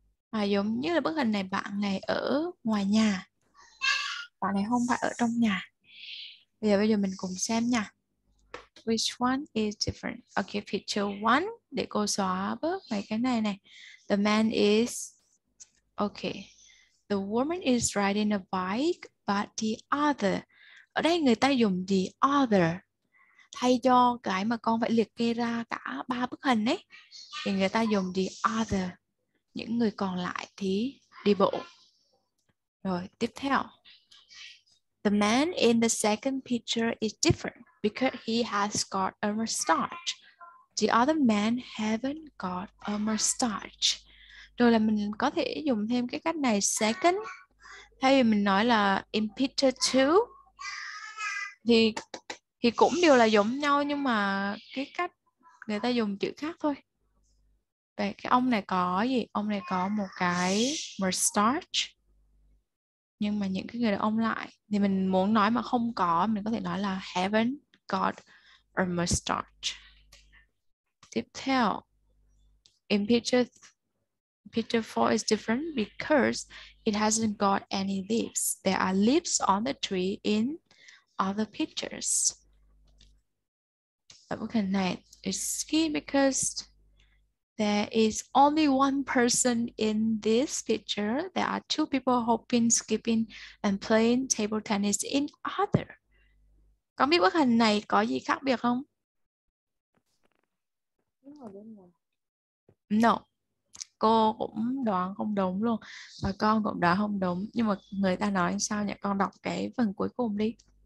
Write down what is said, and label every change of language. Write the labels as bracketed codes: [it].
[vi] À, giống như là bức hình này bạn này ở ngoài nhà, bạn này không phải ở trong nhà. Bây giờ mình cùng xem nha. [en] Which one is different? Okay, picture 1. [vi] Để cô xóa bước này, cái này này. [en] The man is... Okay. The woman is riding a bike, but the other... [vi] Ở đây người ta dùng [en] the other [vi] thay cho cái mà con phải liệt kê ra cả ba bức hình ấy, thì người ta dùng the other. Những người còn lại thì đi bộ. Rồi, tiếp theo. [en] The man in the second picture is different because he has got a mustache. The other man haven't got a mustache. [vi] Rồi là mình có thể dùng thêm cái cách này, second. Thay vì mình nói là [en] in picture 2 [vi] thì cũng đều là giống nhau, nhưng mà cái cách người ta dùng chữ khác thôi. Vậy cái ông này có gì? Ông này có một cái mustache. Nhưng mà những cái người đàn ông lại thì mình muốn nói mà không có, mình có thể nói là [en] haven't got a mustache. [vi] Tiếp theo, [en] in picture 4 is different because it hasn't got any leaves. There are leaves on the tree in other pictures. [vi] Bức hình này [en] is ski because there is only one person in this picture. There are two people hopping, skipping and playing table tennis in other. [vi] Con biết bức hình này có gì khác biệt không? No. Cô cũng đoán không đúng luôn. Và con cũng đoán không đúng. Nhưng mà người ta nói sao nhỉ? Con đọc cái phần cuối cùng đi.